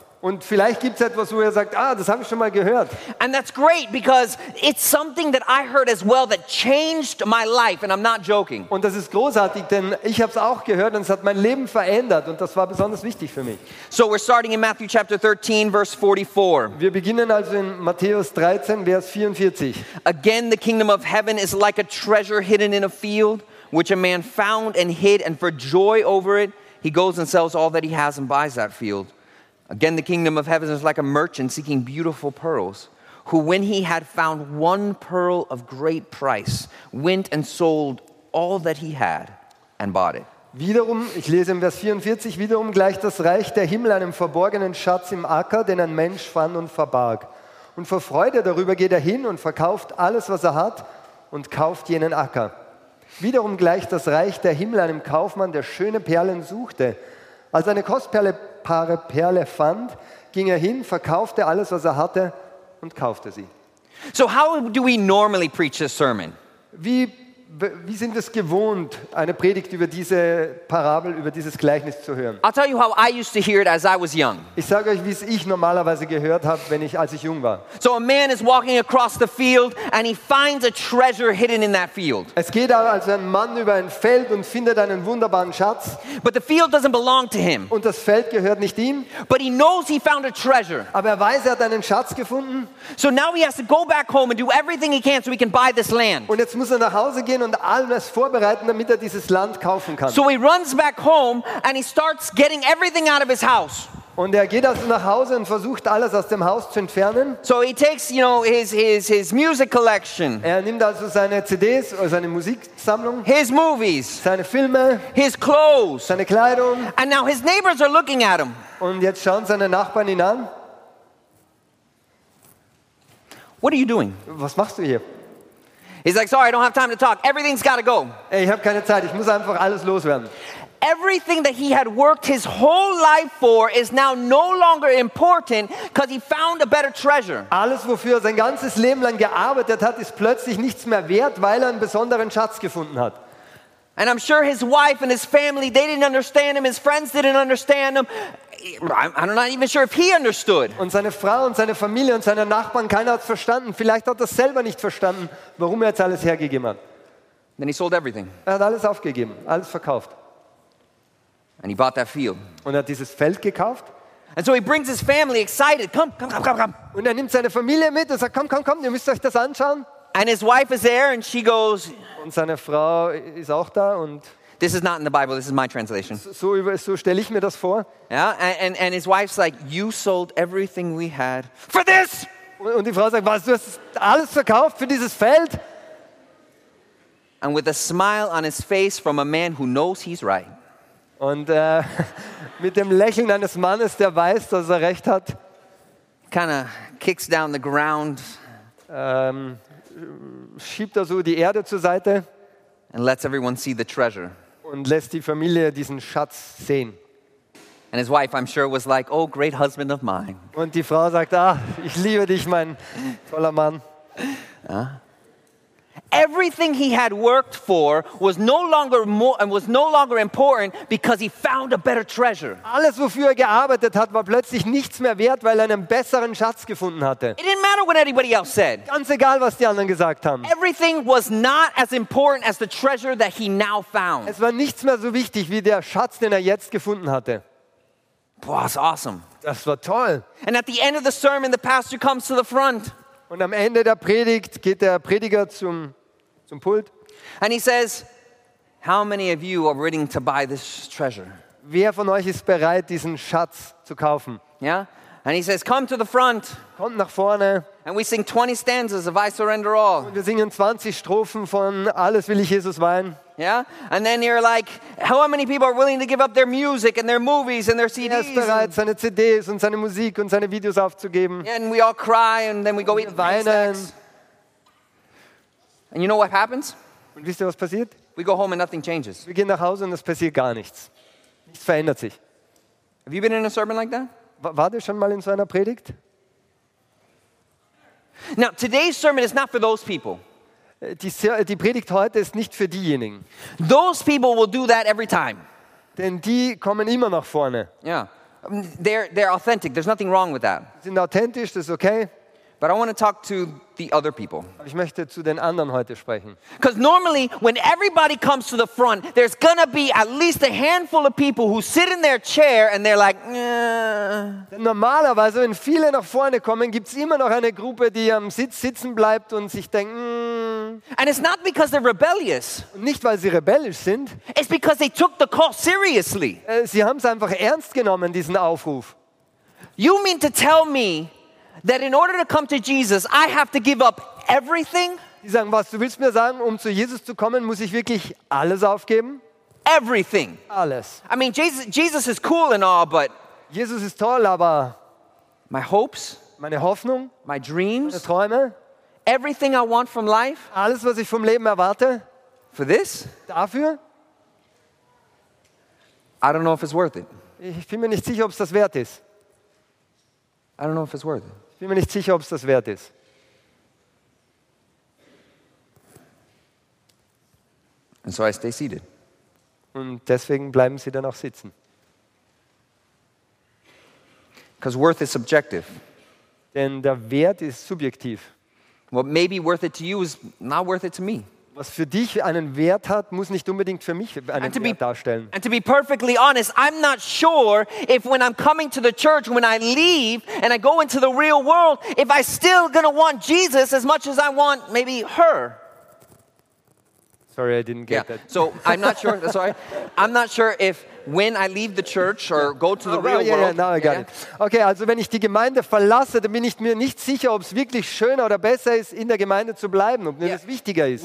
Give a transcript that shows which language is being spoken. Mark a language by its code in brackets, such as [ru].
[de] Und vielleicht gibt's etwas, wo er sagt, ah, das habe ich schon mal gehört. [en] And that's great because it's something that I heard as well that changed my life, and I'm not joking. [de] Und das ist großartig, denn ich habe es auch gehört und es hat mein Leben verändert und das war besonders wichtig für mich. [en] So we're starting in Matthew chapter 13 verse 44. [de] Wir beginnen also in Matthäus 13 Vers 44. [en] Again, the kingdom of heaven is like a treasure hidden in a field, which a man found and hid, and for joy over it, he goes and sells all that he has and buys that field. Again, the kingdom of heaven is like a merchant seeking beautiful pearls, who when he had found one pearl of great price, went and sold all that he had and bought it. [de] Wiederum, ich lese im Vers 44, wiederum gleicht das Reich der Himmel einem verborgenen Schatz im Acker, den ein Mensch fand und verbarg. Und vor Freude darüber geht er hin und verkauft alles, was er hat, und kauft jenen Acker. Wiederum gleicht das Reich der Himmel einem Kaufmann, der schöne Perlen suchte. Als eine Kostperle Paare Perle fand, ging er hin, verkaufte alles, was er hatte, und kaufte sie. [en] So how do we normally preach this sermon? [de] Wie sind es gewohnt, eine Predigt über diese Parabel, über dieses Gleichnis zu hören? [en] I'll tell you how I used to hear it as I was young. [de] Ich sage euch, wie es ich normalerweise gehört habe, als ich jung war. [en] So a man is walking across the field and he finds a treasure hidden in that field. [de] Es geht also ein Mann über ein Feld und findet einen wunderbaren Schatz. [en] But the field doesn't belong to him. [de] Und das Feld gehört nicht ihm. [en] But he knows he found a treasure. [de] Aber er weiß, er hat einen Schatz gefunden. [en] So now he has to go back home and do everything he can so he can buy this land. [de] Und jetzt muss er nach Hause gehen und alles vorbereiten, damit er dieses Land kaufen kann. [en] So he runs back home and he starts getting everything out of his house. [de] Und er geht also nach Hause und versucht alles aus dem Haus zu entfernen. [en] So he takes, you know, his music collection. [de] Er nimmt also seine CDs oder seine Musiksammlung. [en] His movies. [de] Seine Filme. [en] His clothes. [de] Seine Kleidung. [en] And now his neighbors are looking at him. [de] Und jetzt schauen seine Nachbarn ihn an. [en] What are you doing? [de] Was machst du hier? [en] He's like, sorry, I don't have time to talk. Everything's got to go. [de] Ich habe keine Zeit. Ich muss einfach alles loswerden. [en] Everything that he had worked his whole life for is now no longer important because he found a better treasure. [de] Alles, wofür er sein ganzes Leben lang gearbeitet hat, ist plötzlich nichts mehr wert, weil er einen besonderen Schatz gefunden hat. [en] And I'm sure his wife and his family, they didn't understand him. His friends didn't understand him. I'm not even sure if he understood. [de] Und seine Frau und seine Familie und seine Nachbarn, keiner hat's verstanden. Vielleicht hat er selber nicht verstanden, warum er jetzt alles hergegeben hat. [en] Then he sold everything. [de] Er hat alles aufgegeben, alles verkauft. [en] And he bought that field. [de] Und er hat dieses Feld gekauft. [en] And so he brings his family excited. Come, come, come, come, come. [de] Und er nimmt seine Familie mit und sagt, komm, komm, komm, ihr müsst euch das anschauen. [en] And his wife is there and she goes. [de] Und seine Frau ist auch da und. [en] This is not in the Bible, this is my translation. [de] So stelle ich mir das vor. [en] Yeah, and his wife's like, you sold everything we had for this! [de] Und die Frau sagt, was, du hast alles verkauft für dieses Feld? [en] And with a smile on his face from a man who knows he's right. [de] Und mit dem Lächeln eines Mannes, der weiß, dass er recht hat. [en] Kind of kicks down the ground. [de] Schiebt er so die Erde zur Seite. [en] and lets everyone see the treasure. [de] Und lässt die Familie diesen Schatz sehen. [en] And his wife, I'm sure, was like, "Oh, great husband of mine." [de] Und die Frau sagt, ah, ich liebe dich, mein toller Mann. [en] Everything he had worked for was no longer more and was no longer important because he found a better treasure. [de] Alles, wofür er gearbeitet hat, war plötzlich nichts mehr wert, weil er einen besseren Schatz gefunden hatte. [en] It didn't matter what anybody else said. [de] Ganz egal, was die anderen gesagt haben. [en] Everything was not as important as the treasure that he now found. [de] Es war nichts mehr so wichtig wie der Schatz, den er jetzt gefunden hatte. [en] Boah, that's awesome. [de] Das war toll. [en] And at the end of the sermon, the pastor comes to the front. [de] Und am Ende der Predigt geht der Prediger zum Pult. [en] And he says, "How many of you are willing to buy this treasure?" [de] Wer von euch ist bereit, diesen Schatz zu kaufen? [en] Yeah. And he says, "Come to the front." [de] Kommt nach vorne. [en] And we sing 20 stanzas of "I Surrender All." [de] Und wir singen 20 Strophen von "Alles will ich Jesus weihen." [en] Yeah. And then you're like, "How many people are willing to give up their music and their movies and their CDs?" [de] Er ist bereit, seine CDs und seine Musik und seine Videos aufzugeben. [en] And we all cry, and then we go eat [de] weinen. [en] And you know what happens? [de] Und wisst ihr, was passiert? [en] We go home and nothing changes. [de] Wir gehen nach Hause und es passiert gar nichts. Nichts verändert sich. [en] Have you been in a sermon like that? [de] Wart ihr schon mal in so einer Predigt? [en] Now, today's sermon is not for those people. [de] Die Predigt heute ist nicht für diejenigen. [en] Those people will do that every time. [de] Denn die kommen immer nach vorne. [en] Yeah. They're authentic. There's nothing wrong with that. [de] Sie sind authentisch, das ist okay. [en] But I want to talk to the other people. [de] Ich möchte zu den anderen heute sprechen. [en] Because normally, when everybody comes to the front, there's going to be at least a handful of people who sit in their chair and they're like, "Nah." [de] Denn normalerweise, wenn viele nach vorne kommen, gibt es immer noch eine Gruppe, die am Sitz sitzen bleibt und sich denkt, [en] And it's not because they're rebellious. [de] Nicht weil sie rebellisch sind. [en] It's because they took the call seriously. [de] Sie haben es einfach ernst genommen, diesen Aufruf. [en] You mean to tell me that in order to come to Jesus, I have to give up everything? [de] Sie sagen, was du willst mir sagen, um zu Jesus zu kommen, muss ich wirklich alles aufgeben? [en] Everything. [de] Alles. [en] I mean, Jesus is cool and all, but [de] Jesus ist toll, aber [en] my hopes, [de] meine Hoffnung, [en] my dreams, [de] meine Träume. [en] Everything I want from life? [de] Alles, was ich vom Leben erwarte? [en] For this? [de] Dafür? [en] I don't know if it's worth it. [de] Ich bin mir nicht sicher, ob es das wert ist. [en] I don't know if it's worth it. [de] Ich bin mir nicht sicher, ob es das wert ist. [en] And so I stay seated. [de] Und deswegen bleiben Sie dann auch sitzen. [en] Because worth is subjective. [de] Denn der Wert ist subjektiv. [en] What may be worth it to you is not worth it to me. [de] Was für dich einen Wert hat, muss nicht unbedingt für mich einen Wert darstellen. [en] And to be perfectly honest, I'm not sure if when I'm coming to the church, when I leave and I go into the real world, if I still gonna want Jesus as much as I want maybe her. Sorry, I didn't get that. So I'm not sure. Sorry, I'm not sure if when I leave the church or go to the real world. Now I got it. [de] Okay, also wenn ich die Gemeinde verlasse, dann bin ich mir nicht sicher, ob es wirklich schöner oder besser ist, in der Gemeinde zu bleiben, ob mir das wichtiger ist.